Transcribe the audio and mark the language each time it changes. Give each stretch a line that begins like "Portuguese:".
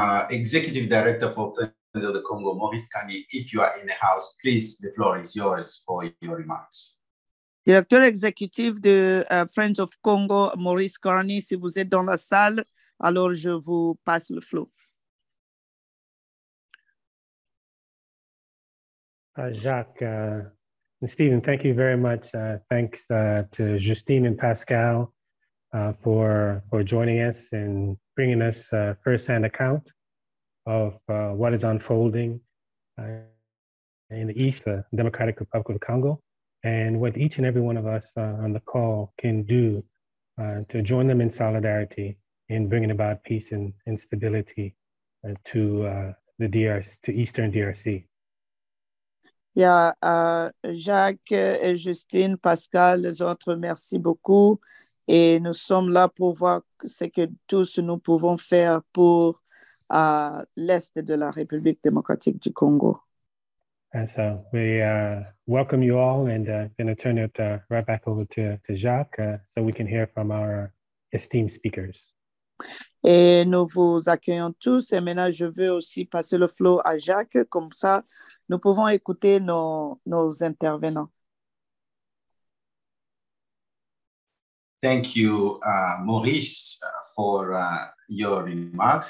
English: Executive Director for Friends of the Congo, Maurice Kani, if you are in the house, please, the floor is yours for your remarks.
French: Directeur exécutif de Friends of Congo, Maurice Carney, si vous êtes dans la salle, alors je vous passe le flow.
English: Jacques, Stephen, thank you very much. Thanks to Justine and Pascal for joining us and bringing us a firsthand account of what is unfolding in the East, the Democratic Republic of Congo, and what each and every one of us on the call can do to join them in solidarity in bringing about peace and stability to the DRC, to Eastern DRC.
French: Yeah, Jacques et Justine, Pascal, les autres, merci beaucoup. Et nous sommes là pour voir ce que tous nous pouvons faire pour l'Est de la République démocratique du Congo.
English: And so we welcome you all and going to turn it right back over to Jacques so we can hear from our esteemed speakers.
French: Et nous vous accueillons tous. Et maintenant, je veux aussi passer le flow à Jacques. Comme ça, nous pouvons écouter nos intervenants.
English: Thank you, Maurice, for your remarks.